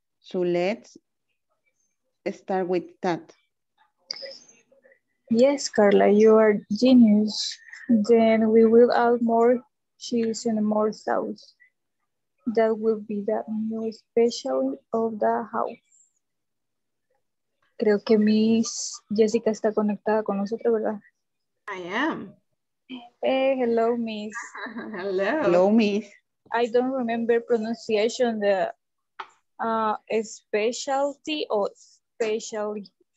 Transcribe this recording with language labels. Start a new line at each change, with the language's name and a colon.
English: So let's start with that. Yes, Carla, you are genius. Then we will add more cheese and more sauce. That will be the new specialty of the house.
Spanish: Creo que Miss Jessica está conectada con nosotros, ¿verdad?
English: I am. Hey, hello, Miss. Hello. Hello, Miss. I don't remember pronunciation, the specialty or specialty.